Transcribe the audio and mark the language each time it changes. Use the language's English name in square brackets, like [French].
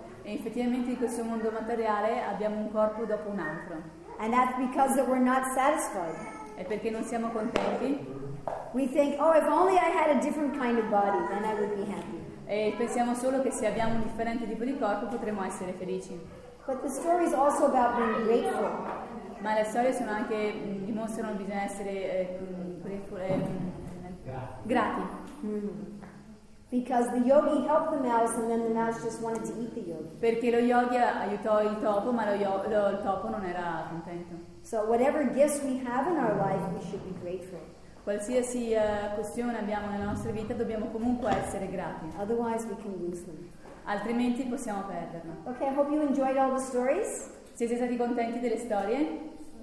[Italian] E effettivamente in questo mondo materiale abbiamo un corpo dopo un altro. [English] And that's because that we're not satisfied. [Italian] E perché non siamo contenti? [English] We think, oh, if only I had a different kind of body, then I would be happy. [Italian] E pensiamo solo che se abbiamo un differente tipo di corpo potremmo essere felici. [English] But the story is also about being grateful. [Italian] Ma le storie sono anche dimostrano che bisogna essere grateful. Grati. [English] Because the yogi helped the mouse, and then the mouse just wanted to eat the yogi. [Italian] Perché lo yogi aiutò il topo, ma il topo non era contento. [English] So whatever gifts we have in our life, we should be grateful. [Italian] Qualsiasi questione abbiamo nella nostra vita, dobbiamo comunque essere grati. [English] Otherwise, we can lose them. [Italian] Altrimenti possiamo perderlo. [English] Okay, I hope you enjoyed all the stories. [Italian] Siete stati contenti delle storie?